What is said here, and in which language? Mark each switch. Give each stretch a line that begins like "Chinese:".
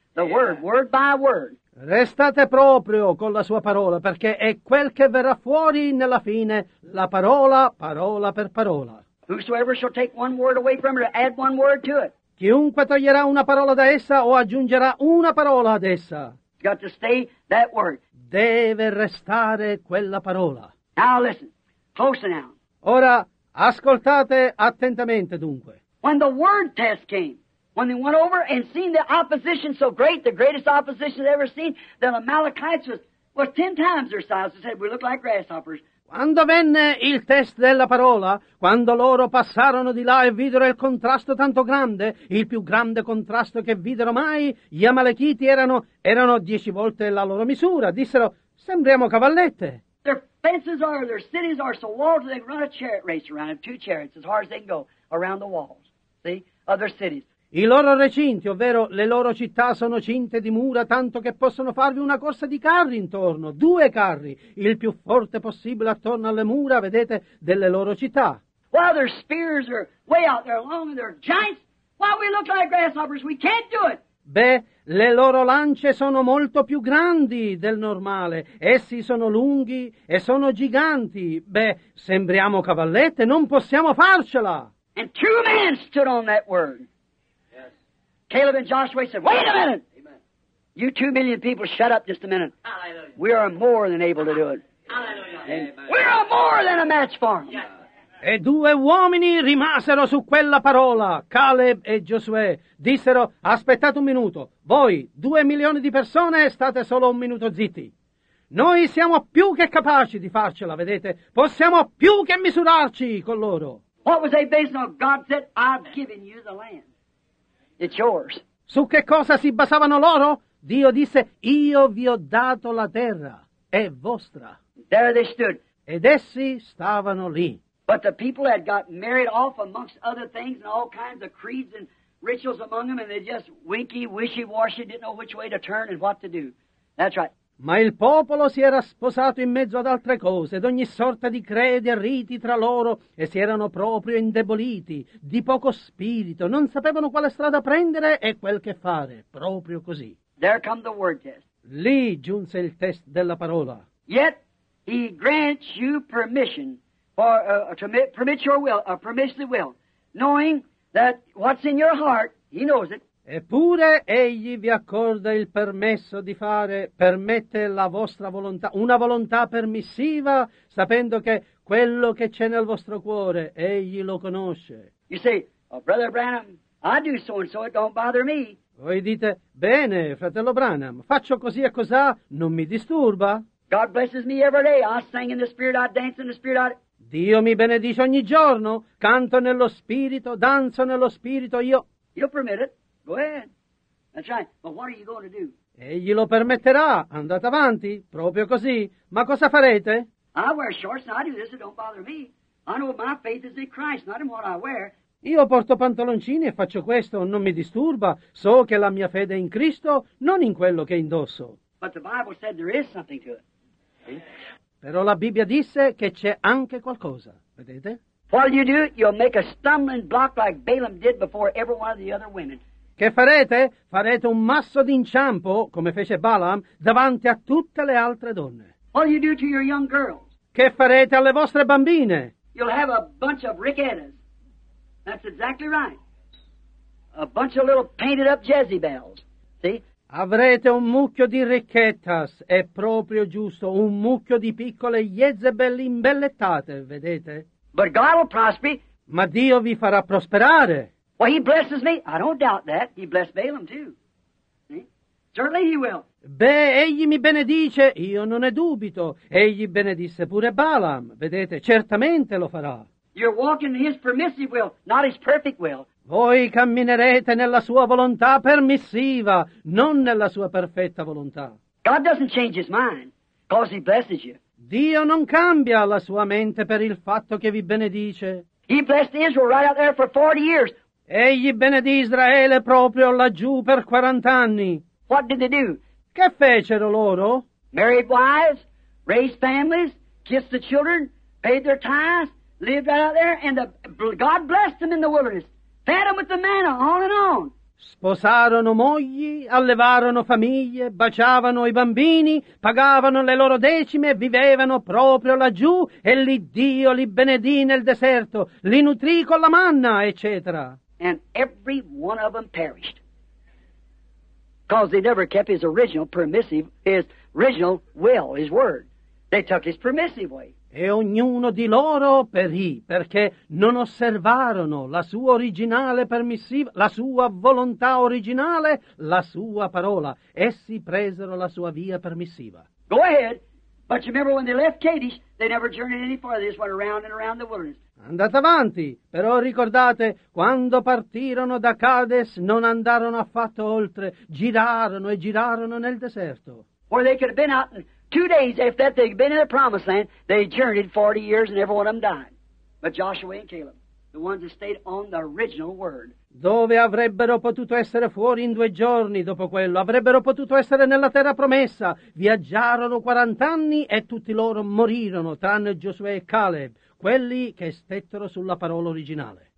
English: The word, word by word.
Italian: Restate proprio con la sua parola, perché è quel che verrà fuori nella fine, la parola, parola per parola.
English: Whosoever shall take one word away from it, or add one word to it.
Italian: Chiunque toglierà una parola da essa o aggiungerà una parola ad essa.
English: You got to stay that word.
Italian: Deve restare quella parola.
English: Now listen, closer now.
Italian: Ora, ascoltate attentamente dunque.
English: When the word test came, when they went over and seen the opposition so great, the greatest opposition they've ever seen, then the Amalekites was 10 times their size. They said, we look like grasshoppers.
Italian: Quando venne il test della parola, quando loro passarono di là e videro il contrasto tanto grande, il più grande contrasto che videro mai, gli Amalekiti erano 10 volte la loro misura. Dissero, sembriamo cavallette.
English: Fences are, their cities are so walled that they run a chariot race around them, 2 chariots, as hard as they can go, around the walls, see, other cities.
Italian: I loro recinti, ovvero le loro città, sono cinte di mura, tanto che possono farvi una corsa di carri intorno, 2 carri, il più forte possibile attorno alle mura, vedete, delle loro città.
English: While their spears are way out there long, and they're giants, while we look like grasshoppers, we can't do it.
Italian: Beh, le loro lance sono molto più grandi del normale. Essi sono lunghi e sono giganti. Beh, sembriamo cavallette, non possiamo farcela.
English: And 2 men stood on that word. Yes. Caleb and Joshua said, wait a minute. Amen. You 2 million people, shut up just a minute. Hallelujah. We are more than able to do it. Hallelujah. We are more than a match for them.
Italian: E 2 uomini rimasero su quella parola, Caleb e Giosuè. Dissero, aspettate un minuto, voi 2 milioni di persone state solo 1 minuto zitti. Noi siamo più che capaci di farcela, vedete? Possiamo più che misurarci con loro.
English: What was they based on? God said, I've given you the land. It's yours.
Italian: Su che cosa si basavano loro? Dio disse, io vi ho dato la terra, è vostra.
English: There they stood.
Italian: Ed essi stavano lì.
English: But the people had got married off amongst other things and all kinds of creeds and rituals among them, and they just winky, wishy-washy, didn't know which way to turn and what to do. That's right.
Italian: Ma il popolo si era sposato in mezzo ad altre cose, ed ogni sorta di credi e riti tra loro, e si erano proprio indeboliti, di poco spirito, non sapevano quale strada prendere e quel che fare, proprio così.
English: There come the word test.
Italian: Lì giunse il test della parola.
English: Yet He grants you permission for to permit your will, a permissive will, knowing that what's in your heart, he knows it.
Italian: Eppure egli vi accorda il permesso di fare, permette la vostra volontà, una volontà permissiva, sapendo che quello che c'è nel vostro cuore, egli lo conosce.
English: You say, oh, Brother Branham, I do so and so, it don't bother me.
Italian: Voi dite, bene, fratello Branham, faccio così e cosà, non mi disturba.
English: God blesses me every day, I sing in the spirit, I dance in the spirit, I...
Italian: Dio mi benedice ogni giorno, canto nello spirito, danzo nello spirito, io...
English: You'll permit it, go ahead. That's right, but what are you going to do?
Italian: Egli lo permetterà, andate avanti, proprio così, ma cosa farete?
English: I wear shorts, I do this, it don't bother me. I know my faith is in Christ, not in what I wear.
Italian: Io porto pantaloncini e faccio questo, non mi disturba. So che la mia fede è in Cristo, non in quello che indosso.
English: But the Bible said there is something to it.
Italian: Però la Bibbia disse che c'è anche qualcosa, vedete?
English: While you do it, you'll make a stumbling block like Balaam did before every one of the other women.
Italian: Che farete? Farete un masso d'inciampo, come fece Balaam, davanti a tutte le altre donne.
English: While you do to your young girls.
Italian: Che farete alle vostre bambine?
English: You'll have a bunch of rickettas. That's exactly right. A bunch of little painted up Jezebels. See?
Italian: Avrete un mucchio di ricchettas, è proprio giusto, un mucchio di piccole Jezebel imbellettate, vedete?
English: But God will prosper.
Italian: Ma Dio vi farà prosperare.
English: Well, he blesses me. I don't doubt that. He blessed Balaam too. See? Certainly he will.
Italian: Beh, egli mi benedice, io non ne dubito. Egli benedisse pure Balaam, vedete, certamente lo farà.
English: You're walking in his permissive will, not his perfect will.
Italian: Voi camminerete nella sua volontà permissiva, non nella sua perfetta volontà.
English: God doesn't change his mind, because he blesses you.
Italian: Dio non cambia la sua mente per il fatto che vi benedice.
English: He blessed Israel right out there for 40 years.
Italian: Egli benedì Israele proprio laggiù per 40 anni.
English: What did they do?
Italian: Che fecero loro?
English: Married wives, raised families, kissed the children, paid their tithes. Lived right out there, and the, God blessed them in the wilderness. Fed them with the manna, on and on.
Italian: Sposarono mogli, allevarono famiglie, baciavano i bambini, pagavano le loro decime, vivevano proprio laggiù, e lì Dio li benedì nel deserto, li nutrì con la manna, eccetera.
English: And every one of them perished. Because they never kept his original permissive, his original will, his word. They took his permissive way.
Italian: E ognuno di loro perì, perché non osservarono la sua originale permissiva, la sua volontà originale, la sua parola. Essi presero la sua via permissiva.
English: Go ahead, but you remember when they left Kadesh, they never journeyed any farther, they just went around and around the wilderness.
Italian: Andate avanti, però ricordate, quando partirono da Kadesh, non andarono affatto oltre, girarono e girarono nel deserto.
English: Or they could have been out in... 2 days after that, they'd been in the promised land, they journeyed 40 years and every one of them died. But Joshua and Caleb, the ones that stayed on the original word.
Italian: Dove avrebbero potuto essere fuori in 2 giorni dopo quello? Avrebbero potuto essere nella terra promessa. Viaggiarono 40 anni e tutti loro morirono, tranne Josué e Caleb, quelli che stettero sulla parola originale.